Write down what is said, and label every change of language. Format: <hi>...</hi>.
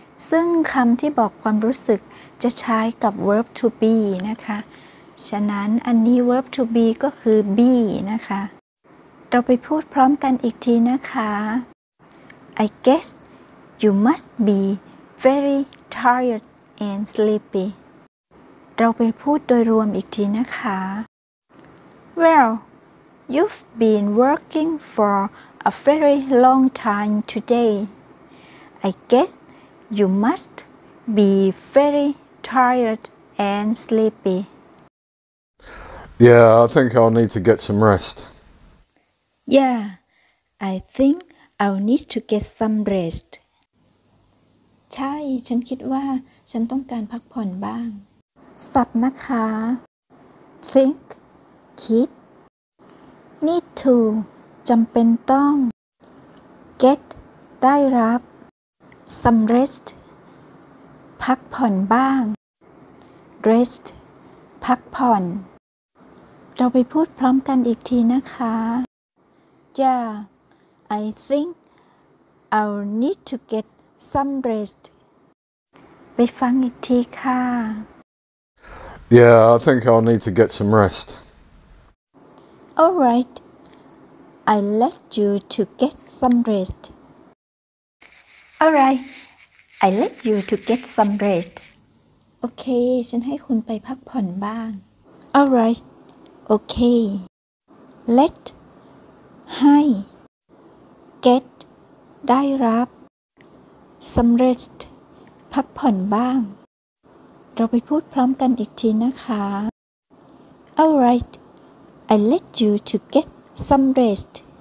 <th>ซึ่งคำที่บอกความรู้สึกจะใช้กับ verb to be นะคะฉะนั้นอันนี้ verb to be ก็คือ be นะคะเราไปพูดพร้อมกันอีกทีนะคะ</th> <en>I guess you must be very tired and sleepy</en> <th>เราไปพูดโดยรวมอีกทีนะคะ</th> <en>Well, you've been working for a very long time today. I guess you must be very tired and sleepy. Yeah, I think I'll need to get some rest. Yeah, I think I'll need to get some rest.</en> <th>ใช่ฉันคิดว่าฉันต้องการพักผ่อนบ้างสับนะคะ Think, คิด Need to, จำเป็นต้อง Get, ได้รับ Some rest, พักผ่อนบ้าง Rest, พักผ่อนเราไปพูดพร้อมกันอีกทีนะคะ</th> <en>Yeah, I think I'll need to get some rest.</en> <th>ไปฟังอีกทีค่ะ</th> <en>Yeah, I think I'll need to get some rest. All right, I'll let you to get some rest. All right, I'll let you to get some rest.</en> <th>โอเคฉันให้คุณไปพักผ่อนบ้าง</th> <en>All right.</en> <th>Okay, let, ให้ get, ได้รับ some rest, พักผ่อนบ้างเราไปพูดพร้อมกันอีกทีนะคะ</th> <en>All right, I let you to get some rest.</en>